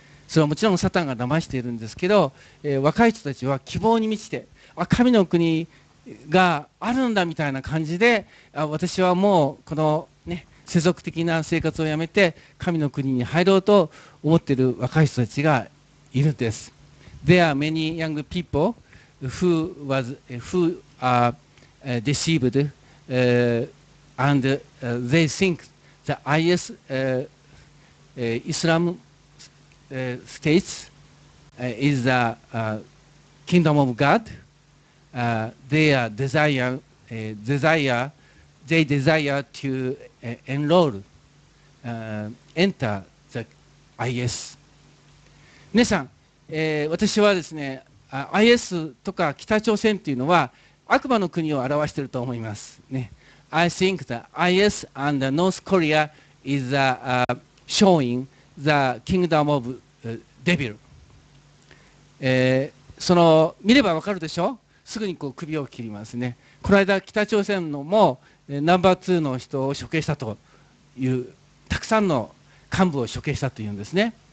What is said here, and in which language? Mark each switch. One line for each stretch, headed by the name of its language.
Japanese: それはもちろんサタンが騙しているんですけど、若い人たちは希望に満ちて、あ、神の国があるんだみたいな感じで、あ、私はもうこの、ね、世俗的な生活をやめて神の国に入ろうと思っている若い人たちがいるんです。
English: There are many young people who are deceived、and they think the IS、IslamStates is the kingdom of God their desire, desire, they desire to enroll, enter the IS.
Japanese: 皆さん、私はですね、IS とか北朝鮮というのは悪魔の国を表していると思います。
English: ね、I think that IS and the North Korea is showing the kingdom of devil.
Japanese: その見ればわかるでしょ。すぐにこう首を切りますね。この間北朝鮮のもナンバー2の人を処刑したという、たくさんの幹部を処刑したというんですね。